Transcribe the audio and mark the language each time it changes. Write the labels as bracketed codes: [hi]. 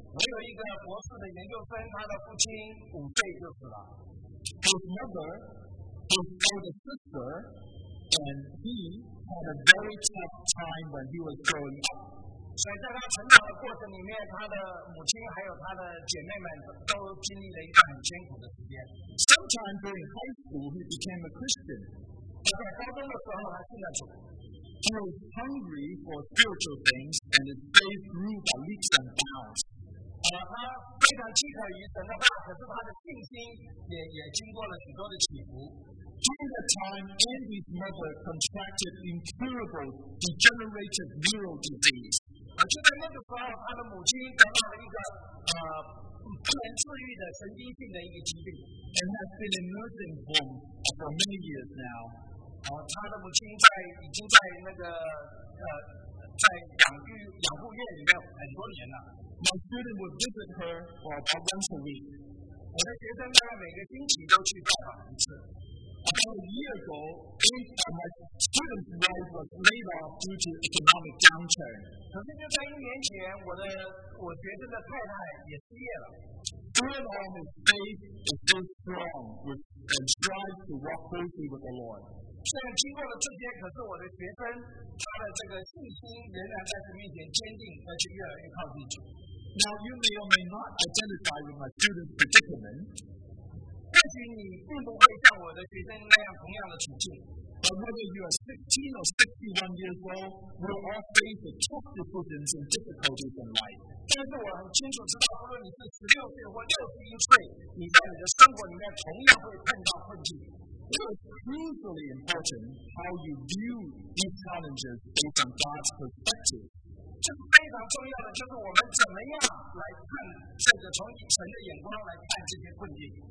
[zh] 我有一个博士的研究生，他的父亲五岁就死了。 [en] His mother, his older sister, and he. Had a very tough time when he was growing up. [zh] 所以在他成长的过程里面，他的母亲还有他的姐妹们都经历了一段很艰苦的时间。 [en] Sometime during high school, he became a Christian. [zh] 在高中的时候，他信了主。 [en] He was hungry for spiritual things, and his faith grew by leaps and bounds. [zh] 他非常饥渴于神的话，可是他的信心也经过了许多的起伏。 [en] During that time, Andy's mother contracted incurable degenerative neural disease. [zh] 就在那个时候，他的母亲得到了一个不能治愈的神经性的一个疾病。 [en] And has been in nursing home for many years now. [zh] 他的母亲已经在那个在养护院里面很多年了。 [en] My student would visit her for about once a week. [zh] 我的学生大概每个星期都去拜访一次。 [en] About a year ago, my student's wife was laid off due to economic downturn. [zh] 可是就在一年前，我学生的太太也失业了。 [en] Still on his faith is still strong and strives to walk closely with the Lord. [zh] 虽然经过了这些，可是我的学生他的这个信心仍然在神面前坚定，而且越来越靠近主。 [en] Now you may or may not identify with my student's predicament. [zh] 或许你并不会像我的学生那样同样的处境。 [en] But whether you are 16 or 61 years old, we all face the tough decisions and difficulties in life. [zh] 但是我很清楚知道，无论你是16岁或61岁，你在你的生活里面同样会碰到困境。 [en] It is crucially important how you view these challenges based on God's perspective. [zh] 这非常重要的就是我们怎么样来看，甚至从神的眼光来看这些困境。